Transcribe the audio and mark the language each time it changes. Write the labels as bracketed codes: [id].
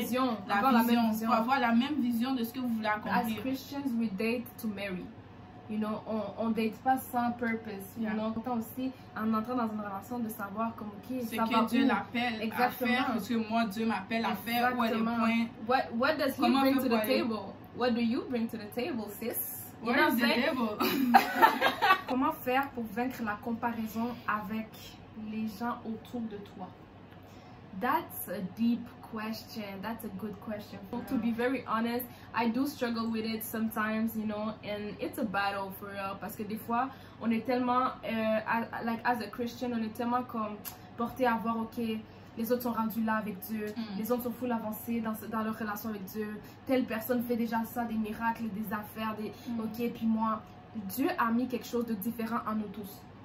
[fr] Vision. La vision. Pour avoir la même vision de ce que vous voulez accomplir. [en] As Christians, we date to marry. You know, [fr] on date pas sans [en] purpose. You know, [fr] autant aussi en entrant dans une relation de savoir comme qui ça va. C'est que Dieu l'appelle exactement. À faire, parce que moi Dieu m'appelle à faire. Exactement. [en] What do you bring to the table, sis? [fr] Comment faire pour vaincre la comparaison avec les gens autour de toi? [en] That's a deep question. That's a good question. Yeah. To be very honest, I do struggle with it sometimes, you know, and it's a battle for real. [fr] Parce que des fois, on est tellement, [en] as a Christian, [fr] on est tellement comme porté à voir, ok, les autres sont rendus là avec Dieu, les autres sont full avancés dans leur relation avec Dieu. Telle personne fait déjà ça, des miracles, des affaires, ok, puis moi, Dieu a mis quelque chose de différent en nous tous.